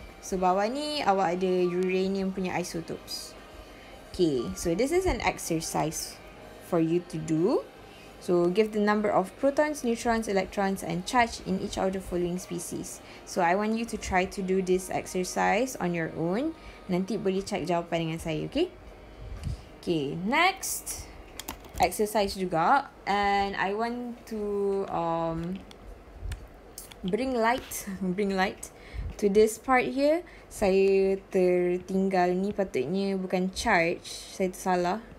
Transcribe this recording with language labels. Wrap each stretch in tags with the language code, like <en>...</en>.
<ms>So, bawah ni, awak ada uranium punya isotopes.</ms> <en>Okay, so this is an exercise for you to do. So give the number of protons, neutrons, electrons and charge in each of the following species. So I want you to try to do this exercise on your own.</en> <ms>Nanti boleh check jawapan dengan saya, okay?</ms> <en>Okay, next exercise juga. And I want to bring light to this part here.</en> <ms>Saya tertinggal ni, patutnya bukan charge, saya tersalah.</ms>